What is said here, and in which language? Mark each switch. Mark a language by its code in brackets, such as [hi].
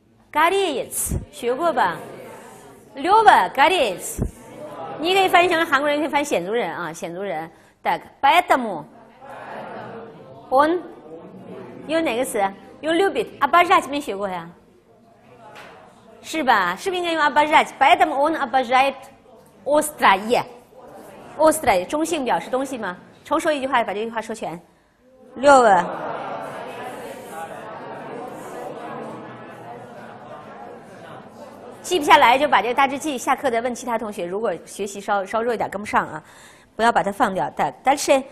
[ru] Кореец [zh] 学过吧 ？Люба кореец， 你可以翻译成韩国人，可以翻鲜族人啊，鲜族人。 [ru] Поэтому он [zh] 用哪个词？用 [ru] любит， обожать [zh] 没学过呀？是吧？是不是应该用 обожать？ [ru] Поэтому он обожает острое， острое [zh] 中性表示东西吗？重说一句话，把这句话说全。Люба记不下来就把这个大致记，下课再问其他同学。如果学习稍弱一点跟不上啊。不要把它放掉。但是